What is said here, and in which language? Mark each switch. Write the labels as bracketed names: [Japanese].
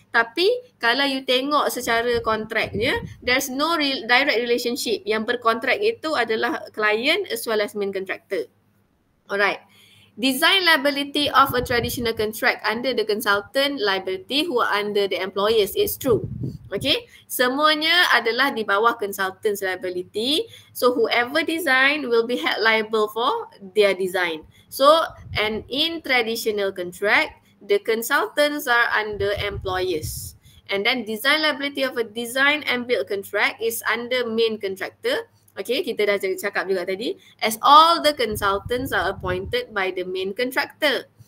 [Malay] Tapi kalau you tengok secara kontraknya, [English] there's no direct relationship. [Malay] Yang berkontrak itu adalah [English] client as well as main contractor. Alright. Design liability of a traditional contract under the consultant liability who are under the employers. It's true. Okay. [Malay] Semuanya adalah di bawah consultant's liability. [English] So whoever design will be held liable for their design. So and in traditional contract, the consultants are under employers. And then design liability of a design and build contract is under main contractor. Okay, [Malay] kita dah cakap juga tadi, [English] as all the consultants are appointed by the main contractor.